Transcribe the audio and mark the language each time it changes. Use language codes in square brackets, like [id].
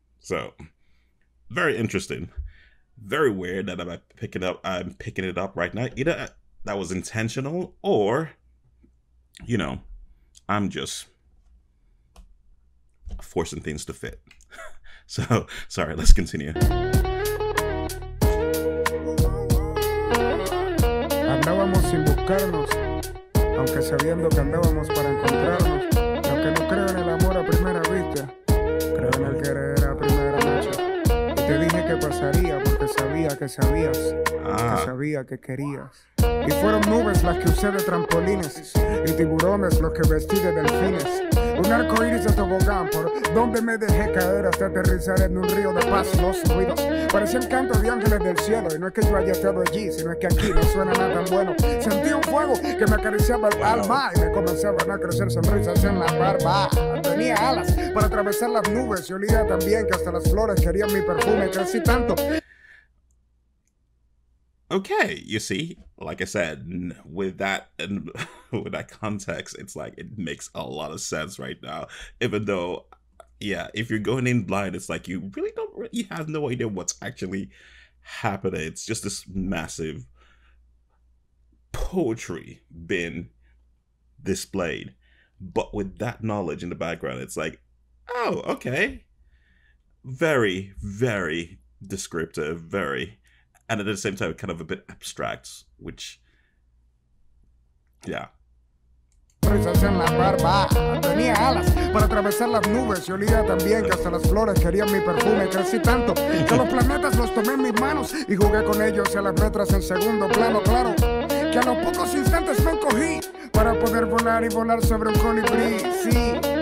[en] So, very interesting. Very weird that I'm picking it up right now. Either that was intentional, or, you know, I'm just forcing things to fit. So, sorry, let's continue. [es] Andábamos sin buscarnos, aunque sabiendo que andábamos para encontrarnos. Aunque no creo en el amor a primera vista, creo en el querer a primera noche. Y te dije que pasaría porque sabía que sabías, porque sabía que querías. Y fueron nubes las que usé de trampolines, y tiburones los que vestí de delfines. Un arco iris de tobogán por donde me dejé caer hasta aterrizar en un río de paz. Los ruidos parecían cantos de ángeles del cielo, y no es que yo haya estado allí, sino es que aquí no suena nada tan bueno. Sentí un fuego que me acariciaba el alma, y me comenzaban a crecer sonrisas en la barba. Tenía alas para atravesar las nubes, y olía también que hasta las flores querían mi perfume. Crecí tanto. [en] Okay, you see, like I said, with that and with that context, it's like it makes a lot of sense right now. Even though, yeah, if you're going in blind, it's like you really don't, you have no idea what's actually happening. It's just this massive poetry being displayed. But with that knowledge in the background, it's like, oh, okay. Very, very descriptive, very. And at the same time, kind of a bit abstract, which, yeah. [es] En la barba, tenía alas para atravesar las nubes. Yo olía también que hasta las flores querían mi perfume. Crecí tanto que los planetas los tomé en mis manos y jugué con ellos a las letras en segundo plano. Claro que a los pocos instantes me encogí para poder volar y volar sobre un colibrí. Sí.